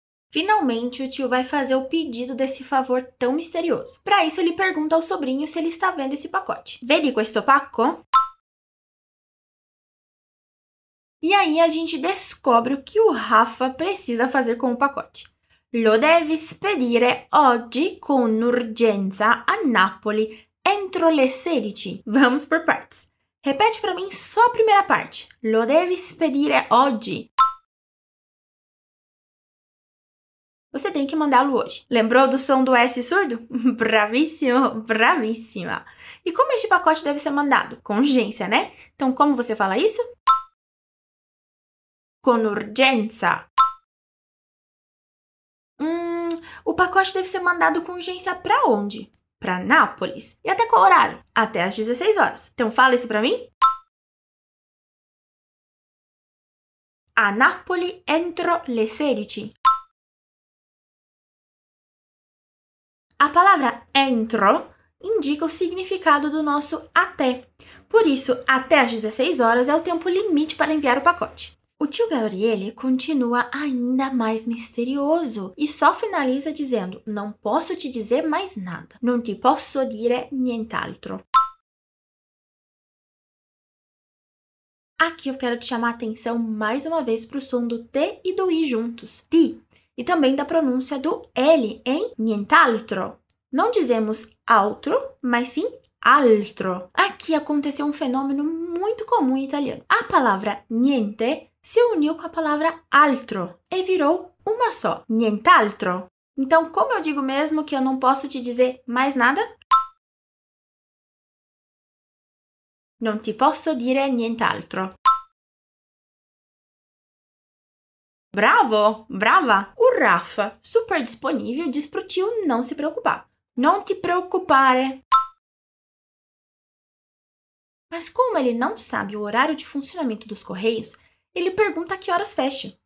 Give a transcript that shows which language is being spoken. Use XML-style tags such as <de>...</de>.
<pt>Finalmente o tio vai fazer o pedido desse favor tão misterioso. Para isso ele pergunta ao sobrinho se ele está vendo esse pacote.</pt> <it>Vedi questo pacco?</it> <pt>E aí a gente descobre o que o Rafa precisa fazer com o pacote.</pt> <it>Lo devi spedire oggi con urgenza a Napoli entro le 16.</it> <pt>Vamos por partes. Repete para mim só a primeira parte.</pt> <it>Lo devi spedire oggi.</it> <pt>Você tem que mandá-lo hoje. Lembrou do som do S surdo?</pt> <it>Bravíssimo, bravíssima.</it> <pt>E como este pacote deve ser mandado? Com urgência, né? Então, como você fala isso?</pt> <it>Con urgenza.</it> <pt>O pacote deve ser mandado com urgência para onde? Para Nápoles. E até qual horário? Até às 16 horas. Então, fala isso para mim.</pt> <it>A Napoli entro le 16.</it> <pt>A palavra entro indica o significado do nosso até. Por isso, até às 16 horas é o tempo limite para enviar o pacote. O tio Gabriele continua ainda mais misterioso e só finaliza dizendo: não posso te dizer mais nada.</pt> <it>Non ti posso dire nient'altro.</it> <pt>Aqui eu quero te chamar a atenção mais uma vez para o som do T e do I juntos. Ti. E também da pronúncia do L em nient'altro. Não dizemos altro, mas sim altro. Aqui aconteceu um fenômeno muito comum em italiano. A palavra niente se uniu com a palavra altro e virou uma só, nient'altro. Então, como eu digo mesmo que eu não posso te dizer mais nada?</pt> <it>Non ti posso dire nient'altro. Bravo, brava!</it> <pt>O Rafa, super disponível, diz pro tio não se preocupar.</pt> <it>Non ti preoccupare.</it> <pt>Mas como ele não sabe o horário de funcionamento dos correios, ele pergunta a que horas fecha.</pt>